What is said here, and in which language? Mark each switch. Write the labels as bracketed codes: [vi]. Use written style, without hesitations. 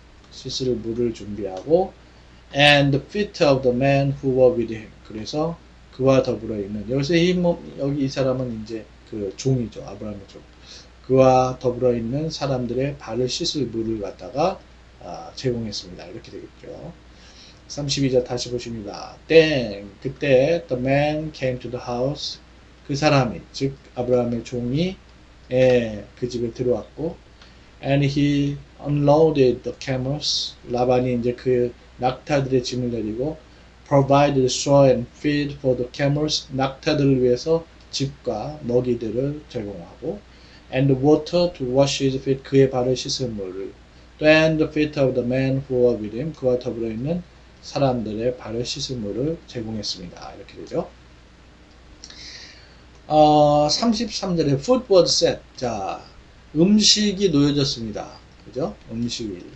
[ko] 씻을 물을 준비하고 [en] and the feet of the man who were with him [ko] 그래서 그와 더불어 있는 여기서 힘 여기 이 사람은 이제 그 종이죠. 아브라함의 종. 그와 더불어 있는 사람들의 발을 씻을 물을 갖다가 제공했습니다. 이렇게 되겠죠. 32절 다시 보십니다. [en] Then, 그때 the man came to the house. [ko] 그 사람이, 즉 아브라함의 종이 예, 그 집에 들어왔고 [en] and he unloaded the camels. [ko] 라반이 이제 그 낙타들의 짐을 내리고 [en] provided straw and feed for the camels. [ko] 낙타들을 위해서 집과 먹이들을 제공하고 [en] and water to wash his feet. [ko] 그의 발을 씻을 물을 [en] and the feet of the man who were with him. [ko] 그와 더불어 있는 사람들의 발을 씻을 물을 제공했습니다. 이렇게 되죠. [en] 33절에 food was set. [ko] 자, 음식이 놓여졌습니다. 그죠? 음식이.